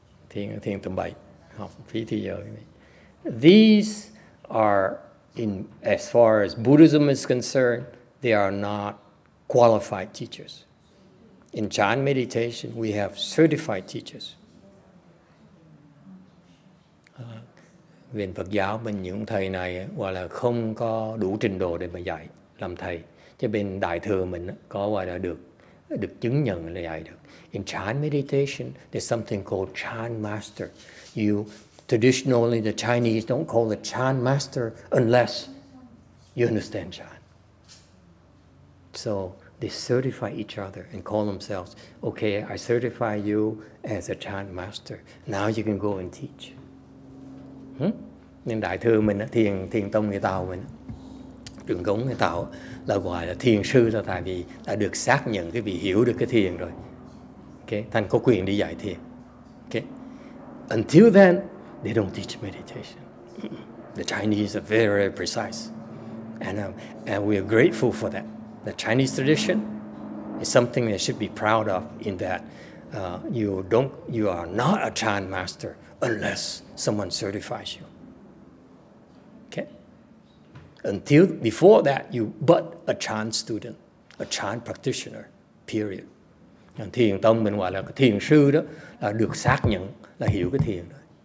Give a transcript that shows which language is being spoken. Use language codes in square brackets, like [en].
[vi] Thiền tầm bảy, học phí thì giờ. [en] These are, as far as Buddhism is concerned, they are not qualified teachers. In Chan meditation, we have certified teachers. [vi] Về Phật giáo, bên những thầy này gọi là không có đủ trình độ để mà dạy làm thầy. Chứ bên Đại thừa mình có gọi là được chứng nhận là dạy được. [en] In Chan meditation, there's something called Chan master. Traditionally, the Chinese don't call it Chan master unless you understand Chan. So they certify each other and call themselves, okay, I certify you as a Chan master. Now you can go and teach. [vi] Nên đại thừa mình, thiền tông người Tàu mình, trường cống người Tàu là gọi là thiền sư, là tại vì đã được xác nhận cái vị hiểu được cái thiền rồi. Okay, thành có quyền đi dạy thiền. Okay. [en] Until then, they don't teach meditation. The Chinese are very, very precise. And we are grateful for that. The Chinese tradition is something that should be proud of, in that you are not a Chan master unless someone certifies you. Okay? Until before that, you but a Chan student, a Chan practitioner, period. [vi] Còn thiền tông mình gọi là thiền sư đó, là được xác nhận, là hiểu cái thiền đó.